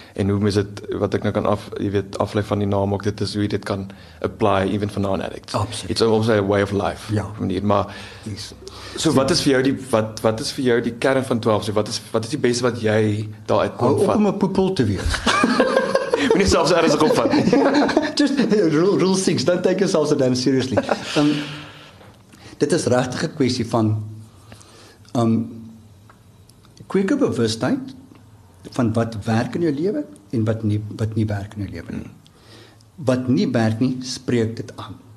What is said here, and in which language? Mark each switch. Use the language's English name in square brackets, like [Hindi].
[Afrikaans] En hoe is dit, wat ek nou kan af, jy weet, aflei van die naam ook, dit is hoe jy dit kan apply even for non-addicts. Absoluut. [English] It's almost a way of life. [Afrikaans] Ja. Manier. Maar, yes. So wat is vir jou die, wat is vir jou die kern van 12 step? Wat is die beste wat jy daar uit kon vat? Hou op om 'n poepel te wees. Moet nie selfs ergens opvat. [English] Just rule 6, don't take yourself so damn seriously. [Afrikaans] Dit is regtig 'n kwestie van kweke bewustheid van wat werk in jou lewe en wat nie werk in jou lewe nie. Wat nie werk nie, spreek dit aan.